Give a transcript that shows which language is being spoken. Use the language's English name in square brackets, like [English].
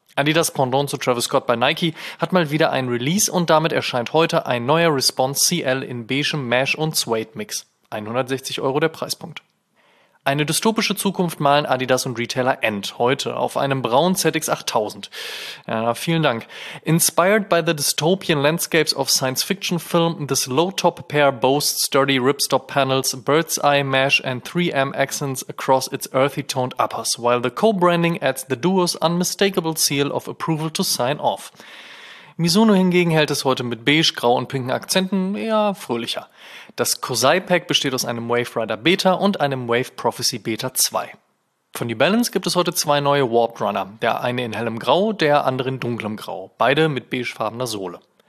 [German] Adidas Pendant zu Travis Scott bei Nike hat mal wieder ein Release und damit erscheint heute ein neuer Response CL in beigem Mesh und Suede Mix. 160 Euro der Preispunkt. Eine dystopische Zukunft malen Adidas und Retailer End heute auf einem braunen ZX8000. Ja, vielen Dank. [English] Inspired by the dystopian landscapes of science fiction film, this low-top pair boasts sturdy ripstop panels, bird's eye mesh and 3M accents across its earthy toned uppers, while the co-branding adds the duo's unmistakable seal of approval to sign off. [German] Mizuno hingegen hält es heute mit beige, grau und pinken Akzenten eher fröhlicher. Das Kozai-Pack besteht aus einem Wave Rider Beta und einem Wave Prophecy Beta 2. Von New Balance gibt es heute 2 neue Warped Runner, der eine in hellem Grau, der andere in dunklem Grau, beide mit beigefarbener Sohle.